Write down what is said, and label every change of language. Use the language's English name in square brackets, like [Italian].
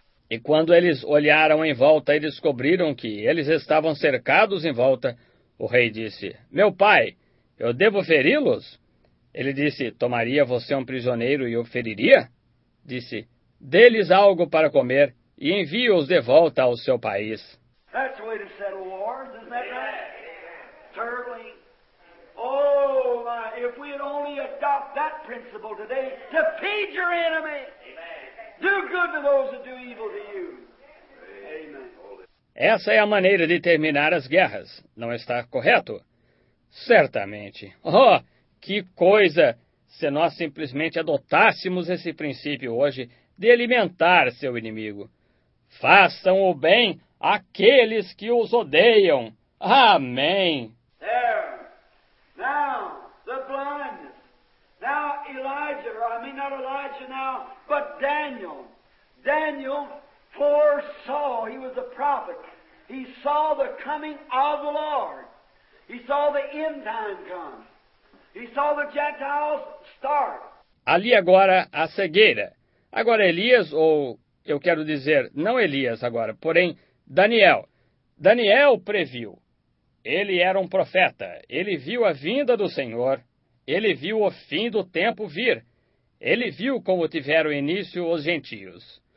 [Portuguese] E quando eles olharam em volta e descobriram que eles estavam cercados em volta, o rei disse, meu pai, eu devo feri-los? Ele disse, tomaria você um prisioneiro e o feriria? Disse, dê-lhes algo para comer e envie-os de volta ao seu país. [English] That's the way to settle wars, isn't that right? Certainly. Oh, my, if we had only adopt that principle today, to feed your enemy. Amen. Do good to those that do evil to you. Amen. [Portuguese] Essa é a maneira de terminar as guerras, não está correto? Certamente. Oh, que coisa se nós simplesmente adotássemos esse princípio hoje de alimentar seu inimigo. Façam o bem àqueles que os odeiam. Amém. [English] There. Now, the blindness. Now, Elijah, I mean, not Elijah now, but Daniel. Daniel foresaw, he was a prophet. He saw the coming of the Lord. He saw the end time come. He saw the Gentiles start. [Portuguese] Ali agora a cegueira. Agora Elias, ou eu quero dizer, não Elias agora, porém Daniel. Daniel previu. Ele era um profeta. Ele viu a vinda do Senhor. Ele viu o fim do tempo vir. Ele viu como tiveram início os gentios.